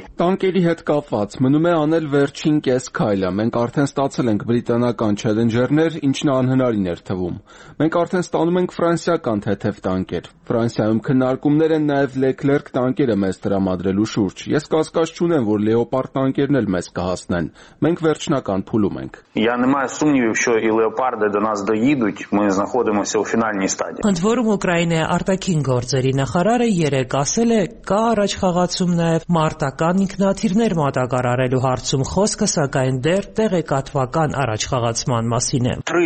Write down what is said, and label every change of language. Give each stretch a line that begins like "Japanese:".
Armenian: Տանկերի հետ կապված մնում է անել վերջին կես քայլը։ Մենք արդեն ստացել ենք բրիտանական չելենջերներ, ինչն անհնարին էր թվում։ Մենք արդեն ստանում ենք ֆրանսիական թեթև տանկեր։ Ֆրանսիայում քննարկումներ են նաև Լեկլերկ տանկերը մեզ տրամադրելու շուրջ։ Ես կասկած չունեմ, որ Լեոպարդ տանկերն էլ մեզ կհասնեն։ Մենք վերջնական փուլում ենք։
Ukrainian: Я не маю сумнівів, що і леопарди до нас доїдуть. Ми знаходимося у фінальній стадії.
Armenian: Ընդվորում Ուկրաինայի արտաքին գործերի նախարարը երեք ասել է, կա առաջխաղացում նաև մարտական ինքնաթիռներ մատակարարելու հարցում, խոսքը սակայն դեռ տեղեկատվական առաջխաղացման մասին է։